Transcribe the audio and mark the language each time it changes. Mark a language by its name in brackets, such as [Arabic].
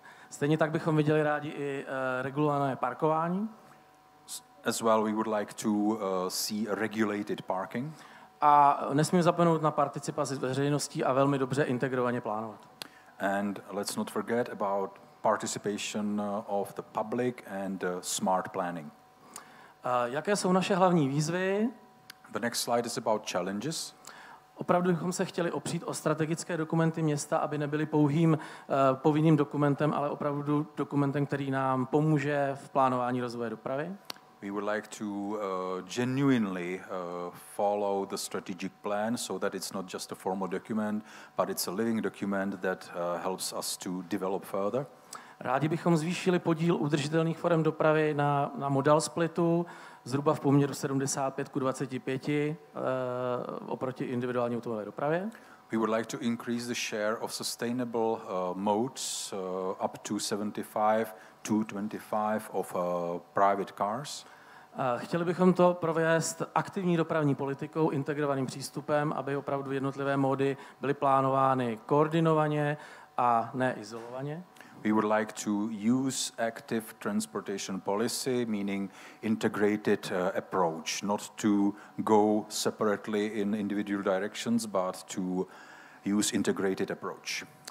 [Czech] Stejně tak bychom viděli rádi i regulované parkování. [English] As well we would like to see regulated parking. [Czech] A nesmím zapomenout na participaci veřejností a velmi dobře integrovaně plánovat. [English] And let's not forget about participation of the public and smart planning. [Czech] Jaké jsou naše hlavní výzvy? [English] The next slide is about challenges. [Czech] Opravdu bychom se chtěli opřít o strategické dokumenty města, aby nebyly pouhým povinným dokumentem, ale opravdu dokumentem, který nám pomůže v plánování rozvoje dopravy. [English] We would like to genuinely follow the strategic plan so that it's not just a formal document, but it's a living document that helps us to develop further. [Czech] Rádi bychom zvýšili podíl udržitelných forem dopravy na modal splitu zhruba v poměru 75-25 oproti individuální automobilové dopravě. [English] We would like to increase the share of sustainable modes up to 75-25 of private cars. [Czech] Chtěli bychom to provést aktivní dopravní politikou, integrovaným přístupem, aby opravdu jednotlivé módy byly plánovány koordinovaně a ne izolovaně. [English] We would like to use active transportation policy, meaning integrated approach, not to go separately in individual directions, but to use integrated approach.